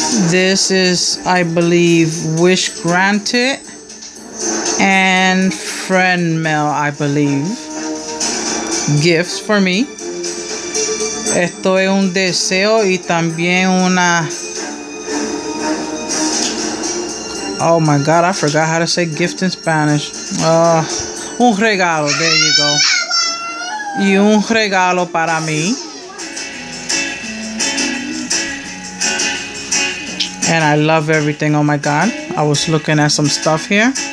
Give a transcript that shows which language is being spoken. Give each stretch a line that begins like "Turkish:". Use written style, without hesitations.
English: This is, I believe, wish granted and friend mail, I believe. Gifts for me.
Spanish: Esto es un deseo y también una...
English: Oh my God, I forgot how to say gift in Spanish.
Spanish: Un regalo,
English: there you go.
Spanish: Y un regalo para mí.
English: And I love everything, oh my God. I was looking at some stuff here.